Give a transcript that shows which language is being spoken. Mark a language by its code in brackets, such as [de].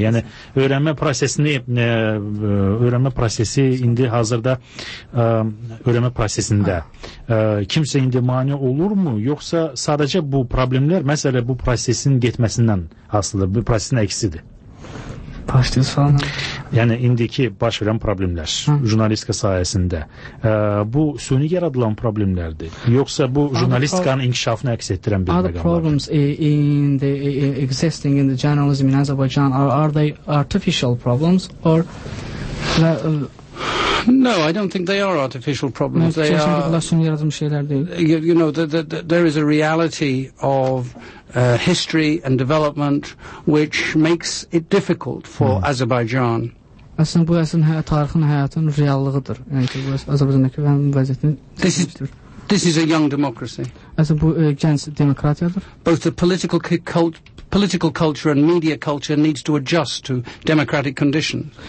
[az] Yəni öyrənmə prosesini öyrənmə prosesi indi hazırda öyrənmə prosesində kimsə indi mane olurmu, yoxsa sadəcə bu problemlər məsələ bu prosesin getməsindən asılıdır, bu prosesin əksidir? Başlayın sualına. Yəni, indiki baş verən problemlər jurnalistika sayəsində bu süni yaradılan problemlərdir, yoxsa bu jurnalistikanın inkişafını əks etdirən bir məqamlar? [en] Other problems in the existing in the journalism in Azerbaijan are they artificial problems or No, I don't think they are artificial problems. They are, you know, there is a reality of history and development which makes it difficult for Azerbaijan. [az] Aslında bu əslində tarixin həyatın reallığıdır. Yəni ki, bu Azərbaycandakı vəziyyətin [en] This is a young democracy. [az] Aslında bu gənc demokratiyadır. [en] Both the political culture and media culture needs to adjust to democratic conditions.